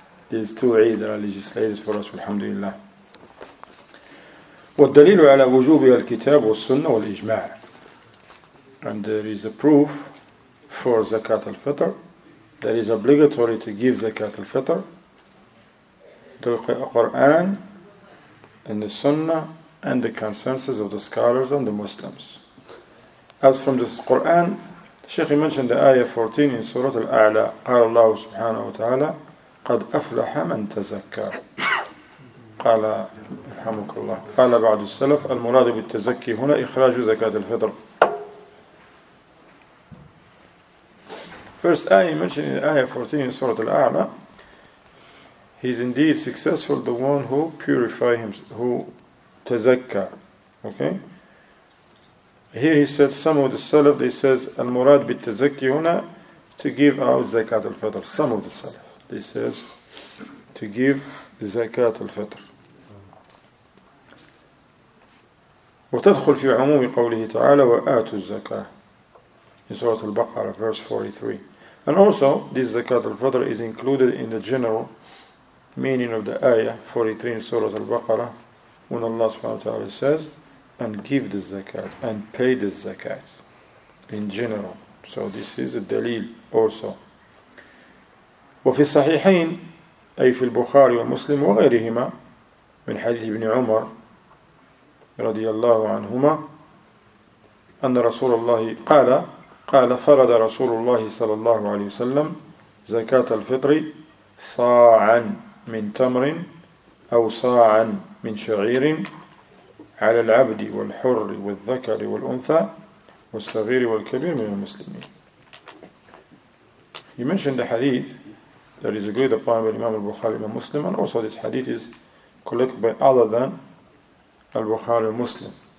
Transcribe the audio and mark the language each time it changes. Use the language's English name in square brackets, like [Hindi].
[English] These two Eid are legislated for us, alhamdulillah. [Arabic] والدليل على وجوب الكتاب والسنة والإجماع. [English] And there is a proof for zakat al-fitr. That is obligatory to give zakat al-fitr. The Quran and the Sunnah and the consensus of the scholars and the Muslims. As from the Quran, Sheikh mentioned the ayah 14 in Surah Al-A'la. [Arabic] قال الله سبحانه وتعالى قد أفلح من تزكى. قال رحمك الله. قال بعض السلف المراد بالتزكي هنا إخراج زكاة الفطر. [English] First ayah mentioned in ayah 14 in Surah Al-A'la. He is indeed successful the one who purify himself, who تزكى. Okay. Here he said some of the salaf, they says [Arabic] al-murad bi-tazakki huna, [English] to give out zakat al-fitr. Some of the salaf, they says to give zakat al-fitr. [Arabic] وتدخل في عموم قوله تعالى وآتوا الزكاة [English] in Surah Al-Baqarah verse 43. And also this zakat al-fitr is included in the general meaning of the ayah 43 in Surah Al-Baqarah when Allah subhanahu wa ta'ala says and give the zakat, and pay the zakat, in general. So this is a dalil also. [Arabic] وفي الصحيحين أي في البخاري ومسلم وغيرهما من حديث ابن عمر رضي الله عنهما أن رسول الله قال فرض رسول الله صلى الله عليه وسلم زكاة الفطر صاعا من تمر أو صاعا من شعير على العبد والحر والذكر والأنثى والصغير والكبير من المسلمين. [English] He mentioned the hadith that is agreed upon by Imam al-Bukhari and Muslim, and also this hadith is collected by other than al-Bukhari and Muslim.